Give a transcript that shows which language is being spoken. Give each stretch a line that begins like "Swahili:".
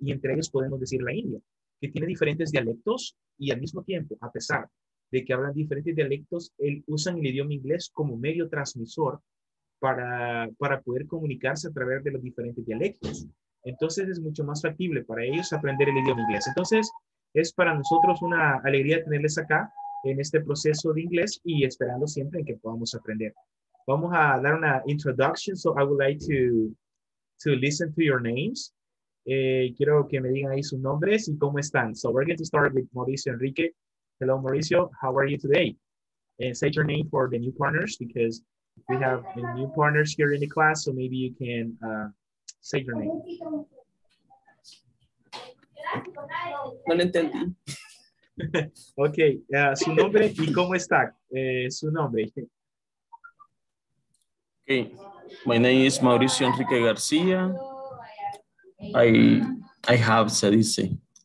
Spanish: Y entre ellos podemos decir la India, que tiene diferentes dialectos y al mismo tiempo, a pesar de que hablan diferentes dialectos, usan el idioma inglés como medio transmisor para poder comunicarse a través de los diferentes dialectos. Entonces es mucho más factible para ellos aprender el idioma inglés. Entonces, es para nosotros una alegría tenerles acá en este proceso de inglés y esperando siempre en que podamos aprender. Vamos a dar una
English: introduction, so I would like to listen to your names.
Spanish: Quiero que me digan ahí sus nombres y cómo están.
English: So we're going to start with Mauricio Enrique. Hello, Mauricio. How are you today? And say your name for the new partners because we have new partners here in the class, so maybe you can say your name.
Spanish: No lo entendí. Ok, su nombre y cómo está su nombre.
English: Ok, my name is Mauricio Enrique García. I have,
Spanish: se dice.